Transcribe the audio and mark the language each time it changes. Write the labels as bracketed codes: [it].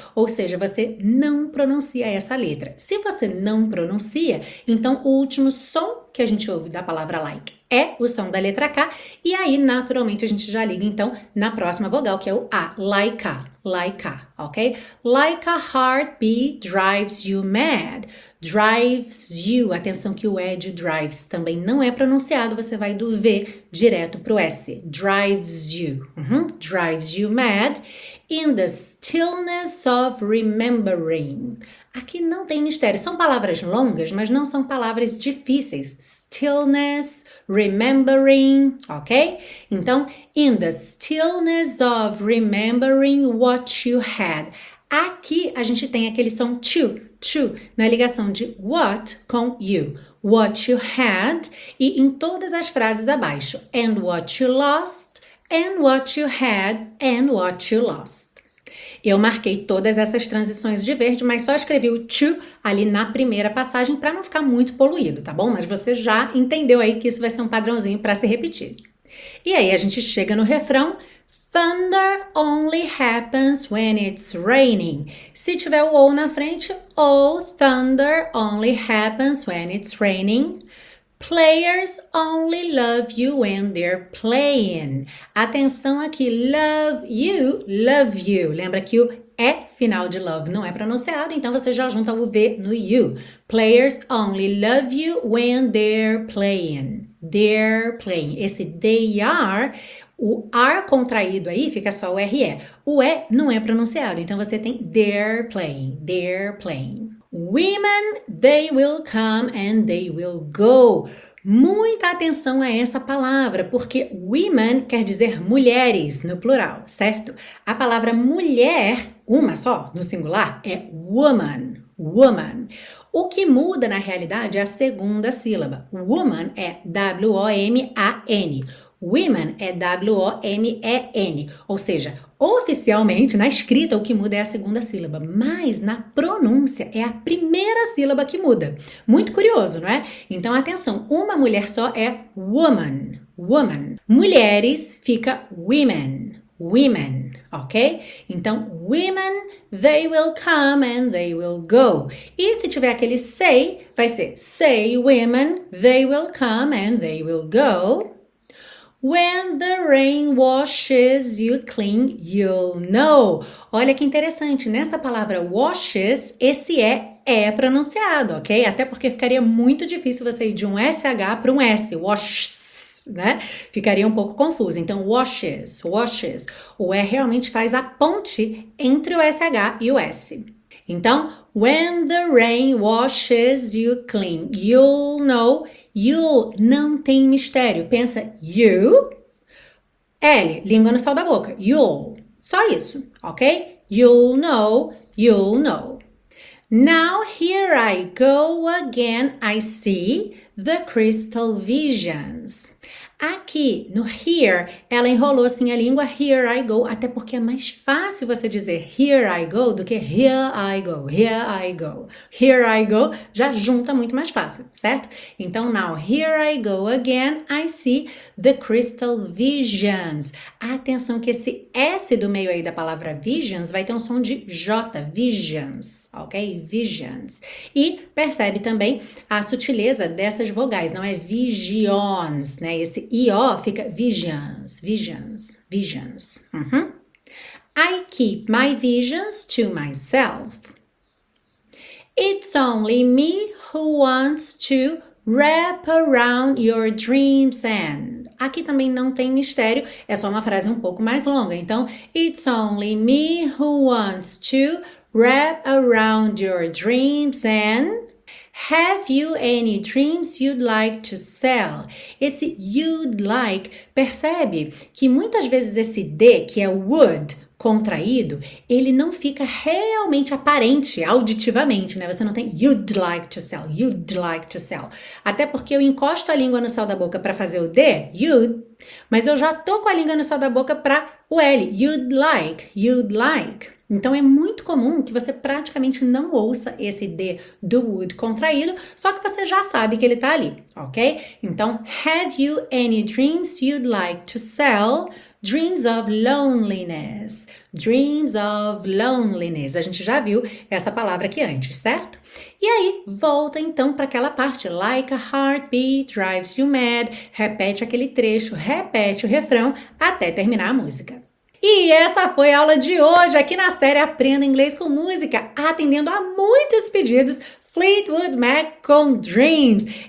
[pt] Ou seja, você não pronuncia essa letra. Se você não pronuncia, então o último som que a gente ouve da palavra like é o som da letra K, e aí, naturalmente, a gente já liga, então, na próxima vogal, que é o A, like A, like A, ok? Like a heartbeat drives you mad, drives you, atenção que o E de drives também não é pronunciado, você vai do V direto pro S, drives you, uhum. [en] Drives you mad, in the stillness of remembering. [pt] Aqui não tem mistério, são palavras longas, mas não são palavras difíceis. [en] Stillness, remembering, ok? Então, in the stillness of remembering what you had. [pt] Aqui a gente tem aquele som to, to, na ligação de what com you. What you had e em todas as frases abaixo. [en] And what you lost, and what you had, and what you lost. [pt] Eu marquei todas essas transições de verde, mas só escrevi o to ali na primeira passagem para não ficar muito poluído, tá bom? Mas você já entendeu aí que isso vai ser um padrãozinho para se repetir. E aí a gente chega no refrão: Thunder only happens when it's raining. [en] Se tiver o ou na frente, oh, thunder only happens when it's raining. Players only love you when they're playing. [pt] Atenção aqui, love you. Lembra que o é final de love não é pronunciado, então você já junta o V no you. [en] Players only love you when they're playing. They're playing. [pt] Esse they are, o ar contraído aí fica só o RE. O E não é pronunciado, então você tem they're playing. [en] They're playing. Women, they will come and they will go. [pt] Muita atenção a essa palavra, porque women quer dizer mulheres no plural, certo? A palavra mulher, uma só, no singular, é woman, woman. O que muda na realidade é a segunda sílaba. Woman é W-O-M-A-N. Women é W-O-M-E-N. Ou seja, oficialmente, na escrita, o que muda é a segunda sílaba, mas na pronúncia é a primeira sílaba que muda. Muito curioso, não é? Então, atenção, uma mulher só é woman, woman. Mulheres fica women, women, ok? [en] Então, women, they will come and they will go. E se tiver aquele say, vai ser say women, they will come and they will go. When the rain washes you clean, you'll know. [pt] Olha que interessante, nessa palavra washes, esse é pronunciado, ok? Até porque ficaria muito difícil você ir de um SH para um S, washes, né? Ficaria um pouco confuso. Então, washes, washes. O E realmente faz a ponte entre o SH e o S. [en] Então, when the rain washes you clean, you'll know. [pt] You não tem mistério. Pensa you. L, língua no céu da boca. You'll. Só isso, ok? [en] You'll know, you'll know. Now here I go again, I see the crystal visions. [pt] Aqui no here, ela enrolou assim a língua, here I go, até porque é mais fácil você dizer here I go do que here I go, here I go. Here I go já junta muito mais fácil, certo? [en] Então, now here I go again, I see the crystal visions. [pt] Atenção que esse S do meio aí da palavra visions vai ter um som de J, visions, ok? Visions. E percebe também a sutileza dessas vogais, não é visions, né? Esse E, ó, fica visions, visions, visions. [en] I keep my visions to myself. It's only me who wants to wrap around your dreams and. [pt] Aqui também não tem mistério, é só uma frase um pouco mais longa. [en] Então, it's only me who wants to wrap around your dreams and. Have you any dreams you'd like to sell? [pt] Esse you'd like, percebe que muitas vezes esse D, que é would, contraído, ele não fica realmente aparente auditivamente, né? Você não tem you'd like to sell, you'd like to sell. Até porque eu encosto a língua no céu da boca para fazer o D, you'd, mas eu já tô com a língua no céu da boca para o L, you'd like, you'd like. Então, é muito comum que você praticamente não ouça esse D do would contraído, só que você já sabe que ele tá ali, ok? [en] Então, have you any dreams you'd like to sell? Dreams of loneliness. Dreams of loneliness. [pt] A gente já viu essa palavra aqui antes, certo? E aí, volta então para aquela parte. Like a heartbeat drives you mad. Repete aquele trecho, repete o refrão até terminar a música. E essa foi a aula de hoje aqui na série Aprenda Inglês com Música, atendendo a muitos pedidos Fleetwood Mac com Dreams.